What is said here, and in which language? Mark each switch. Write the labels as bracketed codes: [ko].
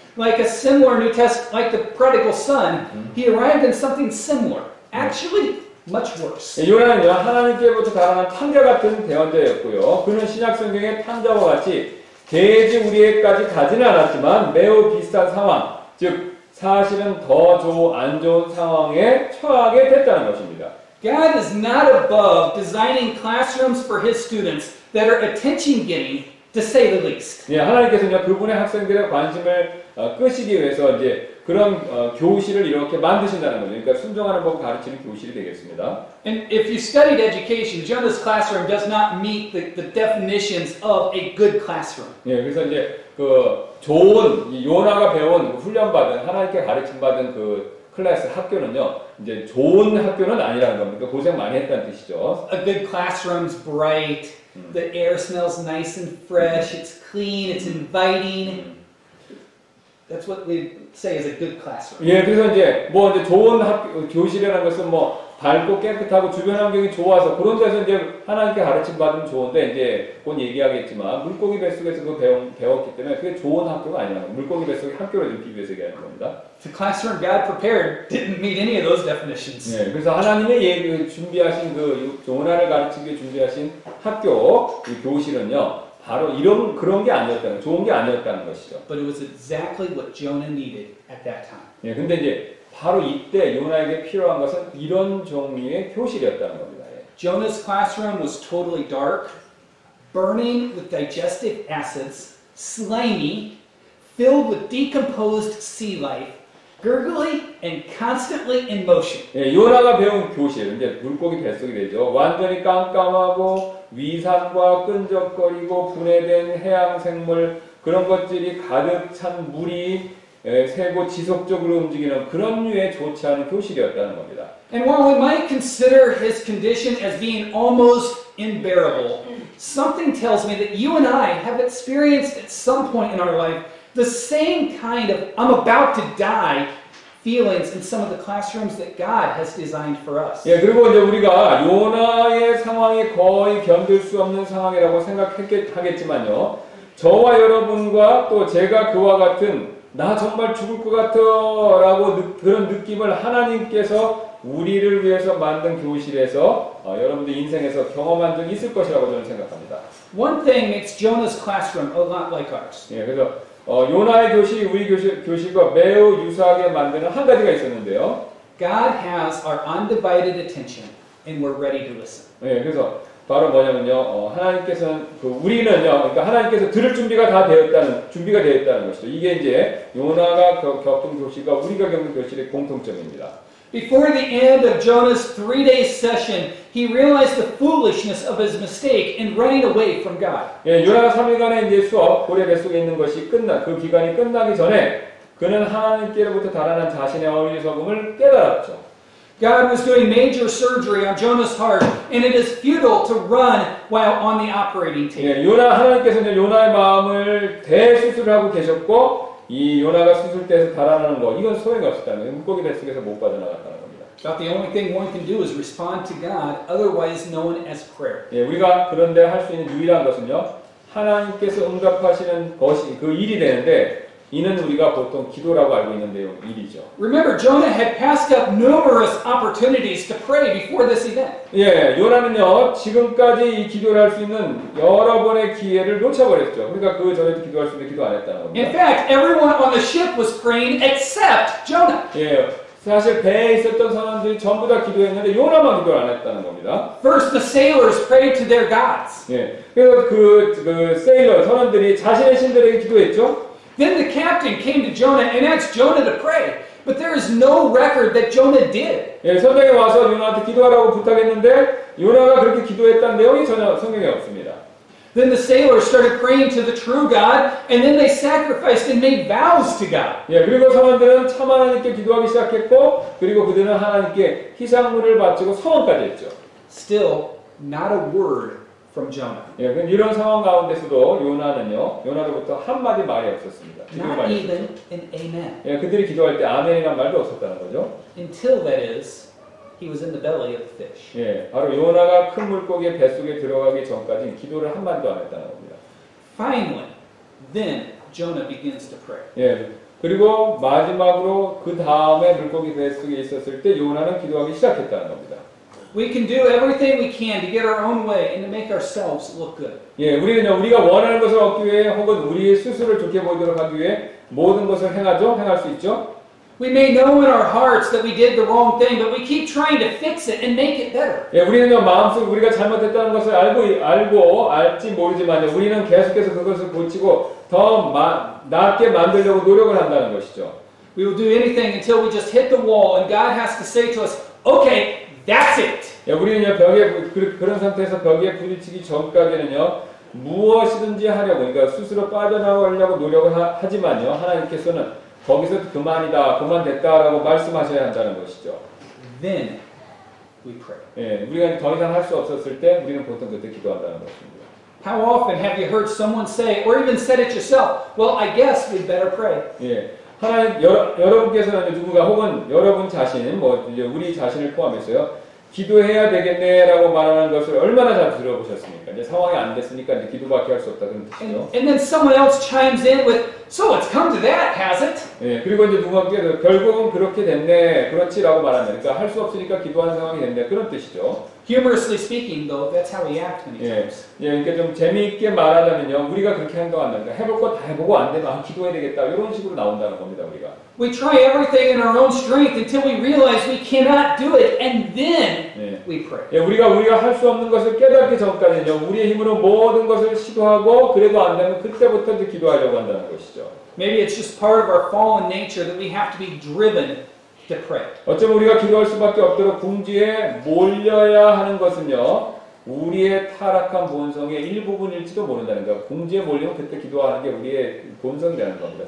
[en] Like a similar New Testament, like the prodigal son, he arrived in something similar, actually much worse. [ko] 요나는요, 하나님께부터 달아난 탄자 같은 대원자였고요. 그는 신약 성경의 탄자와 같이 돼지 우리에까지 가지는 않았지만 매우 비슷한 상황, 즉 사실은 더 안 좋은 상황에 처하게 됐다는 것입니다. [en] God is not above designing classrooms for His students that are attention-getting, to say the least. [ko] 예, 하나님께서는요, 그분의 학생들의 관심을 끄시기 위해서 이제 그런 교실을 이렇게 만드신다는 거죠. 그러니까 순종하는 법을 가르치는 교실이 되겠습니다. [en] And if you studied education, Jonah's classroom does not meet the definitions of a good classroom. [ko] 예, 그래서 이제 그 좋은 요나가 배운 훈련받은 하나님께 가르침받은 그 클래스 학교는요, 이제 좋은 학교는 아니라는 겁니다. 고생 많이 했다는 뜻이죠. [en] A good classroom's bright. The air smells nice and fresh. It's clean. It's inviting. That's what we say is a good classroom. [ko] 예, 그래서 이제 뭐 이제 좋은 학교 교실이라는 것은 뭐 밝고 깨끗하고 주변 환경이 좋아서 그런 데서 이제 하나님께 가르침 받으면 좋은데 이제 곧 얘기하겠지만 물고기 뱃속에서 그 배웠기 때문에 그게 좋은 학교가 아니라 물고기 뱃속의 학교를 비교해서 얘기하는 겁니다. [en] The classroom God prepared didn't meet any of those definitions. [ko] 예, 그래서 하나님의 예비 준비하신 그 요나를 가르치게 준비하신 학교 이 교실은요. 바로 이런 그런 게 아니었다는 좋은 게 아니었다는 것이죠. [en] But it was exactly what Jonah needed at that time. [ko] 예, 근데 이제 바로 이때 요나에게 필요한 것은 이런 종류의 교실이었다는 겁니다. [en] Jonah's classroom was totally dark, burning with digestive acids, slimy, filled with decomposed sea life, gurgly and constantly in motion. [ko] 예, 요나가 배운 교실, 이제 물고기 뱃속이 되죠. 완전히 깜깜하고 위산과 끈적거리고 분해된 해양 생물 그런 것들이 가득 찬 물이 세고 지속적으로 움직이는 그런 류의 좋지 않은 교실이었다는 겁니다. [en] And while we might consider his condition as being almost unbearable, something tells me that you and I have experienced at some point in our life the same kind of I'm about to die feelings in some of the classrooms that God has designed for us. [ko] 예, 그리고 이제 우리가 요나의 상황이 거의 견딜 수 없는 상황이라고 생각하겠지만요. 저와 여러분과 또 제가 그와 같은 나 정말 죽을 것 같아라고 그런 느낌을 하나님께서 우리를 위해서 만든 교실에서 여러분들 인생에서 경험한 적 있을 것이라고 저는 생각합니다. [en] One thing makes Jonah's classroom a lot like ours. [ko] 예, 그래서 요나의 교실이 우리 교실과 매우 유사하게 만드는 한 가지가 있었는데요. [en] God has our undivided attention, and we're ready to listen. [ko] 예, 그래서 바로 뭐냐면요, 하나님께서는 그 우리는요, 그러니까 하나님께서 들을 준비가 다 되었다는 준비가 되었다는 것이죠. 이게 이제 요나가 겪은 교실과 우리가 겪는 교실의 공통점입니다. [en] Before the end of Jonah's three-day session, he realized the foolishness of his mistake in running away from God. [ko] 예, 요나가 3일간의 이제 수업 고래 뱃속에 있는 것이 끝나 그 기간이 끝나기 전에 그는 하나님께로부터 달아난 자신의 어리석음을 깨달았죠. [en] God was doing major surgery on Jonah's heart, and it is futile to run while on the operating table. [ko] 예, 요나 하나님께서는 요나의 마음을 대수술하고 계셨고. 이 요나가 수술대에서 달아나는 거 이건 소용이 없었다는 물고기 뱃속에서 못 빠져나갔다는 겁니다. [en] But the only thing one can do is respond to God, otherwise known as prayer. [ko] 예, 우리가 그런데 할 수 있는 유일한 것은요, 하나님께서 응답하시는 것이 그 일이 되는데 이는 우리가 보통 기도라고 알고 있는데요, 일이죠. [en] Remember, Jonah had passed up numerous opportunities to pray before this event. [ko] 예, 요나는요 지금까지 이 기도를 할 수 있는 여러 번의 기회를 놓쳐버렸죠. 그러니까 그 전에도 기도할 수 있는 기도 안 했다는 겁니다. [en] In fact, everyone on the ship was praying except Jonah. [ko] 예, 사실 배에 있었던 사람들이 전부 다 기도했는데 요나만 기도를 안 했다는 겁니다. [en] First, the sailors prayed to their gods. [ko] 예, 그리고 그 세일러 선원들이 자신의 신들에게 기도했죠. [en] Then the captain came to Jonah and asked Jonah to pray, but there is no record that Jonah did. [ko] 예, 선장이 와서 요나한테 기도하라고 부탁했는데 요나가 그렇게 기도했다는 내용이 전혀 성경에 없습니다. [en] Then the sailors started praying to the true God, and then they sacrificed and made vows to God. [ko] 예, 그리고 사람들은 참 하나님께 기도하기 시작했고, 그리고 그들은 하나님께 희생물을 바치고 서원까지 했죠. [en] Still, not a word from Jonah. [ko] 예, 근데 이런 상황 가운데서도 요나는요, 요나로부터 한 마디 말이 없었습니다. [en] Not even an amen. [ko] 예, 그들이 기도할 때 아멘이란 말도 없었다는 거죠. [en] Until that is. He was in the belly of the fish. [ko] 예, 바로 요나가 큰 물고기의 뱃속에 들어가기 전까지 기도를 한 마디도 안 했다는 겁니다. [en] Finally, then Jonah begins to pray. [ko] 예, 그리고 마지막으로 그 다음에 물고기 뱃속에 있었을 때 요나는 기도하기 시작했다는 겁니다. [en] We can do everything we can to get our own way and to make ourselves look good. [ko] 예, 우리는요, 우리가 원하는 것을 얻기 위해 혹은 우리 스스로를 좋게 보이도록 하기 위해 모든 것을 행하죠, 행할 수 있죠. [en] We may know in our hearts that we did the wrong thing, but we keep trying to fix it and make it better. [ko] 예, 우리는 마음속 우리가 잘못했다는 것을 알고 알지 모르지만 우리는 계속해서 그것을 고치고 더 낫게 만들려고 노력을 한다는 것이죠. [en] We will do anything until we just hit the wall, and God has to say to us, "Okay, that's it." [ko] 예, 우리는요 벽에 그런 상태에서 벽에 부딪히기 전까지는요 무엇이든지 하려고 그러니까 스스로 빠져나오려고 노력을 하지만요 하나님께서는 거기서 그만이다, 그만됐다라고 말씀하셔야 한다는 것이죠. [en] Then we pray. [ko] 예, 우리가 더 이상 할 수 없었을 때 우리는 보통 그때 기도한다는 것입니다. [en] How often have you heard someone say, or even said it yourself? Well, I guess we'd better pray. [ko] 예, 하나님 여러분께서는 누군가 혹은 여러분 자신, 뭐 이제 우리 자신을 포함해서요, 기도해야 되겠네라고 말하는 것을 얼마나 잘 들어보셨습니까? 이제 상황이 안 됐으니까 이제 기도밖에 할 수 없다 그런 뜻이죠. [en] And then someone else chimes in with. So it's come to that, has it? [ko] 예, 그리고 이제 누군가께서 결국은 그렇게 됐네, 그렇지라고 말하면, 그러니까 할 수 없으니까 기도하는 상황이 됐네, 그런 뜻이죠. [en] Humorously speaking, though, that's how we act when we pray. [ko] 예, 그러니까 좀 재미있게 말하자면요, 우리가 그렇게 행동한다. 그러니까 해볼 거 다 해보고 안 되면 기도해야 되겠다, 이런 식으로 나온다는 겁니다, 우리가. [en] We try everything in our own strength until we realize we cannot do it, and then we pray. [ko] 예, 우리가 할 수 없는 것을 깨닫기 전까지는요, 우리의 힘으로 모든 것을 시도하고 그래도 안 되면 그때부터 이제 기도하려고 한다는 것이죠. [en] Maybe it's just part of our fallen nature that we have to be driven to pray. [ko] 어쩌면 우리가 기도할 수밖에 없도록 궁지에 몰려야 하는 것은요, 우리의 타락한 본성의 일부분일지도 모른다는 거. 궁지에 몰리면 그때 기도하는 게 우리의 본성이라는 겁니다.